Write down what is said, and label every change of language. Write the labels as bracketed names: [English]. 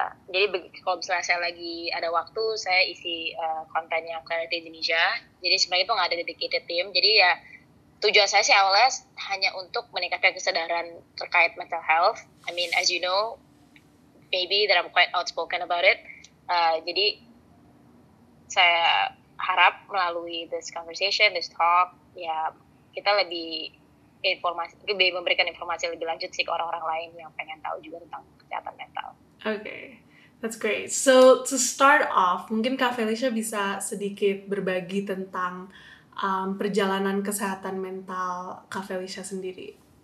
[Indonesian] Jadi kalau misalnya saya lagi ada waktu, saya isi kontennya Clarity Indonesia. Jadi sebenarnya itu nggak ada [English] dedicated team. [Indonesian] Jadi ya tujuan saya sih awalnya hanya untuk meningkatkan kesadaran terkait mental health. [English] I mean, as you know, maybe that I'm quite outspoken about it. [Indonesian] Jadi saya harap melalui [English] this conversation, this talk, [Indonesian] ya kita lebih memberikan informasi lebih lanjut sih ke orang-orang lain yang pengen tahu juga tentang kesehatan mental. [English] Okay, that's great. So to start off, [Indonesian] mungkin Kak Felicia bisa sedikit berbagi tentang perjalanan kesehatan mental Kak Felicia sendiri.